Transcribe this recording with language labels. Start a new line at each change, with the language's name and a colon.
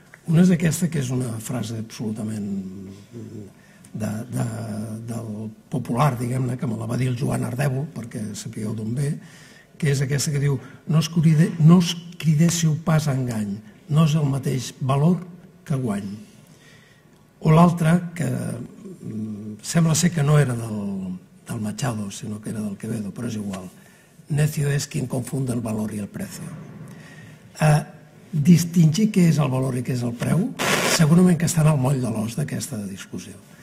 Catalan: Una és aquesta, que és una frase absolutament del popular, diguem-ne, que me la va dir el Joan Ardèvol, perquè sapigueu d'on ve, que és aquesta que diu, no es cridéssiu pas a engany, no és el mateix valor que guany. O l'altra, que sembla ser que no era del Machado, sinó que era del Quevedo, però és igual.
Spanish: Necio es quien confunde el valor y el precio.
Catalan: Distingir què és el valor i què és el preu, segurament que està en el moll de l'os d'aquesta discussió.